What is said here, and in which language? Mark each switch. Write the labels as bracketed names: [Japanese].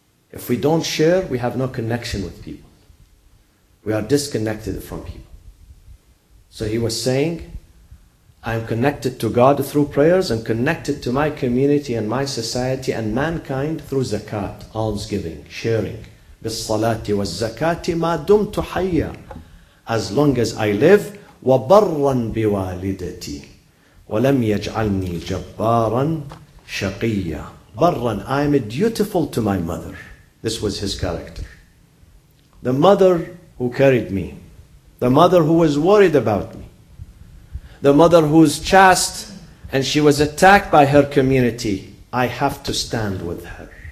[English] If we don't share, we have no connection with people. We are disconnected from people. So he was saying, I'm connected to God through prayers and connected to my community and my society and mankind through zakat, almsgiving, sharing. [Arabic] بالصلاة والزكاة ما دمت حيا. [English] As long as I live. [Arabic] وبرا بوالدتي ولم يجعلني جبارا شقيا. [English] برا, I'm dutiful to my mother. This was his character. The mother who carried me. The mother who was worried about me. The mother who's chaste and she was attacked by her community, I have to stand with her.